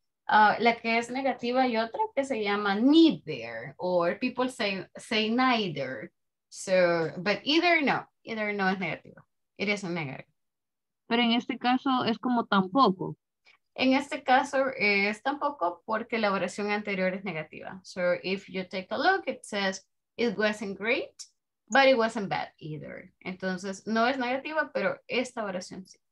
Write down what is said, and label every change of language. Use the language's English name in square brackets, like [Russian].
[Spanish] La que es negativa y otra que se llama neither. [English] Or people say neither. So, but either [Spanish] no es negativo. [English] It is a negative. [Spanish] Pero en este caso es como tampoco. En este caso es tampoco porque la oración anterior es negativa. [English] So if you take a look, it says, it wasn't great, but it wasn't bad either. [Spanish] Entonces, no es negativa, pero esta oración sí.